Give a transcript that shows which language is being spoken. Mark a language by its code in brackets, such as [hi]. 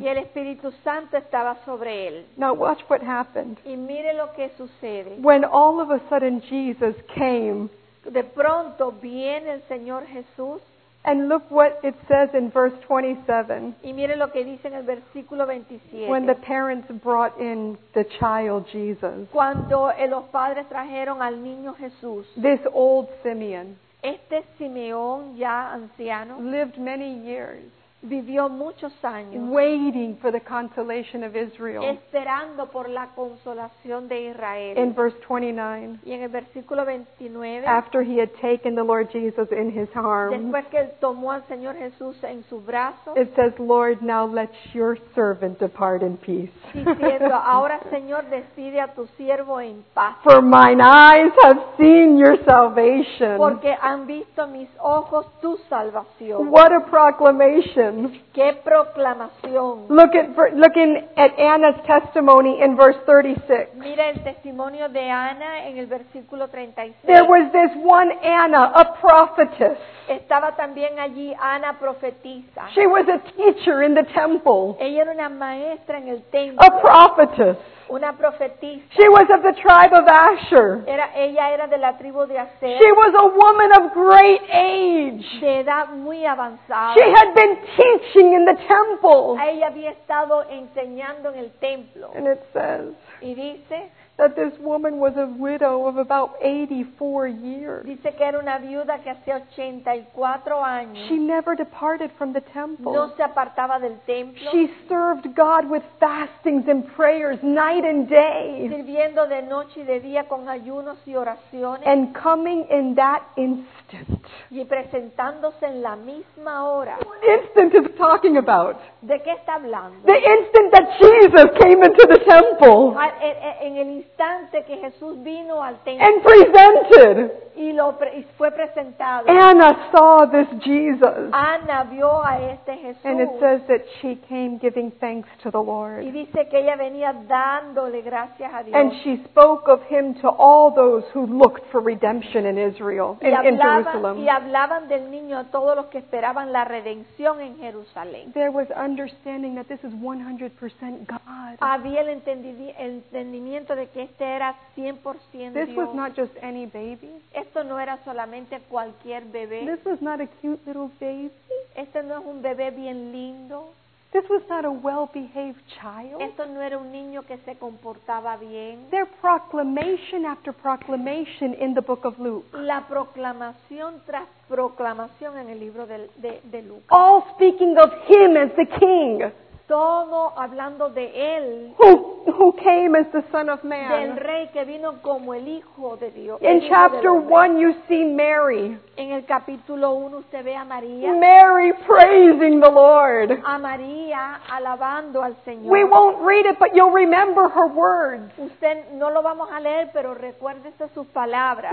[es] Y el Espíritu Santo estaba sobre él. [en] Now watch what happened. [es] Y mire lo que sucede. [en] When all of a sudden Jesus came. [es] De pronto viene el Señor Jesús. [en] And look what it says in verse 27. [es] Y mire lo que dice en el versículo 27. [en] When the parents brought in the child Jesus. [es] Cuando los padres trajeron al niño Jesús. [en] This old Simeon. [es] Este Simeón ya anciano. [en] Lived many years. [es] Vivió muchos años. [en] Waiting for the consolation of Israel. [es] Esperando por la consolación de Israel. [en] In verse 29. [es] Y en el versículo 29. [en] After he had taken the Lord Jesus in his arms. [es] Después que él tomó al Señor Jesús en su brazo. [en] It says, Lord, now let your servant depart in peace. [es] Diciendo, ahora Señor, despide a tu siervo en paz. [en] For mine eyes have seen your salvation. [es] Porque han visto mis ojos tu salvación. [en] What a proclamation. [es] ¿Qué proclamación? [en] Look at Anna's testimony in verse 36. [es] Mira el testimonio de Ana en el versículo 36. [en] There was this one Anna, a prophetess. [es] Estaba también allí Ana profetisa. [en] She was a teacher in the temple. [es] Ella era una maestra en el templo. [en] A prophetess. [es] Una profetisa. [en] She was of the tribe of Asher. [es] Ella era de la tribu de Asher. [en] She was a woman of great age. [es] De edad muy avanzada. [en] She had been teaching in the temple. [es] Ella había estado enseñando en el templo. [en] And it says. [es] Y dice. [en] That this woman was a widow of about 84 years. [es] Dice que era una viuda que hacía 84 años. [en] She never departed from the temple. [es] No se apartaba del templo. [en] She served God with fastings and prayers night and day. [es] Sirviendo de noche y de día con ayunos y oraciones. [en] And coming in that instant. [es] Y presentándose en la misma hora. [en] What instant is talking about? [es] ¿De qué está hablando? [en] The instant that Jesus came into the temple. [es] Instante que Jesús vino al templo. [en] And presented. [es] Y fue presentado. [en] Anna saw this Jesus. [es] Ana vio a este Jesús. [en] And it says that she came giving thanks to the Lord. [es] Y dice que ella venía dándole gracias a Dios. [en] And she spoke of him to all those who looked for redemption in Israel, in Jerusalem. [es] Y hablaban del niño a todos los que esperaban la redención en Jerusalén. [en] There was understanding that this is 100% God. [es] Había el entendimiento de que este era 100% [en] Dios. This was not just any baby. [es] Esto no era solamente cualquier bebé. [en] This was not a cute little baby. [es] Este no es un bebé bien lindo. [en] This was not a well-behaved child. [es] Esto no era un niño que se comportaba bien. [en] Their proclamation after proclamation in the book of Luke. [es] La proclamación tras proclamación en el libro de Lucas. [en] All speaking of him as the king. [es] Todo hablando de él. [en] Who came as the Son of Man. [es] Del rey que vino como el Hijo de Dios. [en] In chapter 1 you see Mary. [es] En el capítulo 1 usted ve a María. [en] Mary praising the Lord. [es] A María alabando al Señor. [en] We won't read it, but you'll remember her words. [es] Usted no lo vamos a leer, pero recuérdese sus palabras.